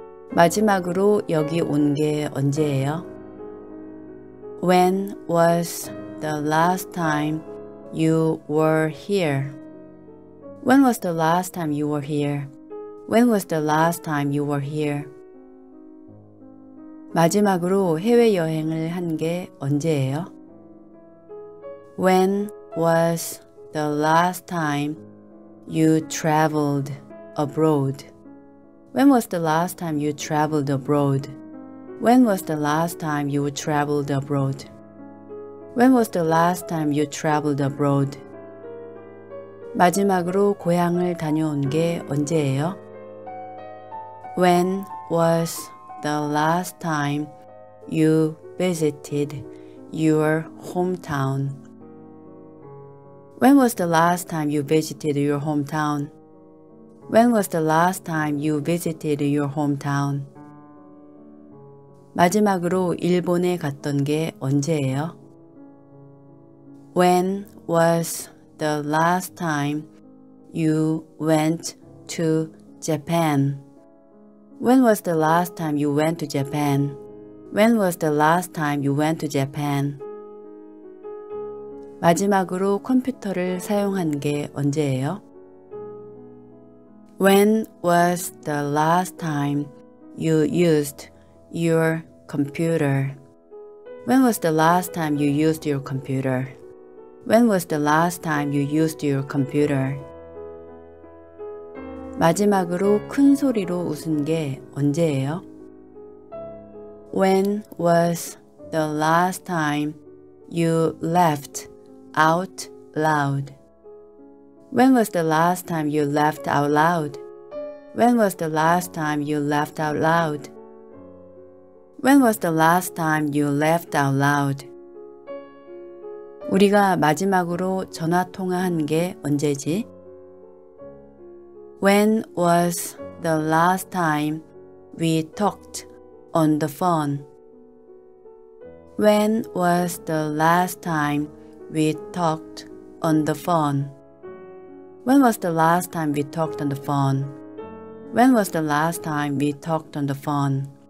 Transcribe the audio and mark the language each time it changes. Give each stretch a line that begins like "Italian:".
Korean: 마지막으로 여기 온 게 언제예요?
English: When was the last time you were here? When was the last time you were here? When was the last time you were here?
Korean: 마지막으로 해외 여행을 한 게 언제예요?
English: When was the last time you traveled abroad? When was the last time you traveled abroad? When was the last time you traveled abroad? When was the last time you traveled abroad?
Korean: 마지막으로 고향을 다녀온 게 언제예요?
English: When was the last time you visited your hometown? When was the last time you visited your hometown? When was the last time you visited your hometown?
Korean: 마지막으로 일본에 갔던 게 언제예요?
English: When was the last time you went to Japan? When was the last time you went to Japan? When was the last time you went to Japan?
Korean: 마지막으로 컴퓨터를 사용한 게 언제예요?
English: When was the last time you used your computer? When was the last time you used your computer? When was the last time you used your computer?
Korean: 마지막으로 큰 소리로 웃은 게 언제예요?
English: When was the last time you laughed out loud? When was the last time you laughed out loud? When was the last time you laughed out loud? When was the last time you laughed out loud?
Korean: 우리가 마지막으로 전화 통화한 게 언제지?
English: When was the last time we talked on the phone? When was the last time we talked on the phone? When was the last time we talked on the phone? When was the last time we talked on the phone?